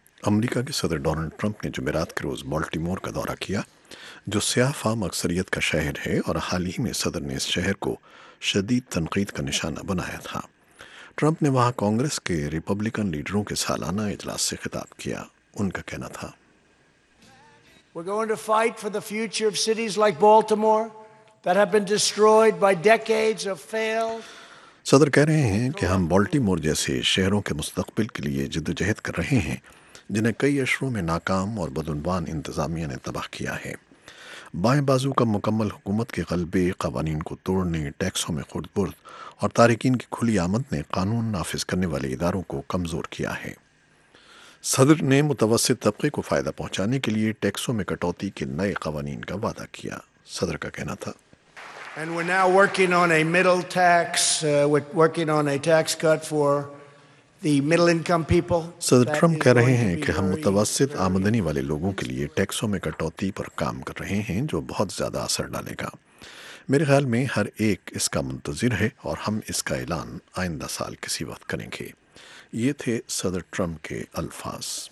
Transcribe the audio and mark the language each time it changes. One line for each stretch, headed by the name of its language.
Urdu: امریکہ کے صدر Donald Trump نے جمعرات کے روز بالٹیمور کا دورہ کیا جو سیاہ فام اکثریت کا شہر ہے، اور حال ہی میں صدر نے اس شہر کو شدید تنقید کا نشانہ بنایا تھا۔ ٹرمپ نے وہاں کانگریس کے ریپبلکن لیڈروں کے سالانہ اجلاس سے خطاب کیا۔ ان کا کہنا تھا،
English: We're going to fight for the future of cities like Baltimore that have been destroyed by decades of failed۔
Urdu: صدر کہہ رہے ہیں کہ ہم بالٹیمور جیسے شہروں کے مستقبل کے لیے جدوجہد کر رہے ہیں جنہیں کئی عشروں میں ناکام اور بدعنوان انتظامیہ نے تباہ کیا ہے۔ بائیں بازو کا مکمل حکومت کے غلبے، قوانین کو توڑنے، ٹیکسوں میں خورد برد اور تارکین کی کھلی آمد نے قانون نافذ کرنے والے اداروں کو کمزور کیا ہے۔ صدر نے متوسط طبقے کو فائدہ پہنچانے کے لیے ٹیکسوں میں کٹوتی کے نئے قوانین کا وعدہ کیا۔ صدر کا کہنا تھا،
English: And we're now working on a middle tax, working on a tax cut for the middle income people.
Urdu: صدر ٹرمپ کہہ رہے ہیں کہ ہم متوسط آمدنی والے لوگوں کے لیے ٹیکسوں میں کٹوتی پر کام کر رہے ہیں جو بہت زیادہ اثر ڈالے گا۔ میرے خیال میں ہر ایک اس کا منتظر ہے اور ہم اس کا اعلان آئندہ سال کسی وقت کریں گے۔ یہ تھے صدر ٹرمپ کے الفاظ۔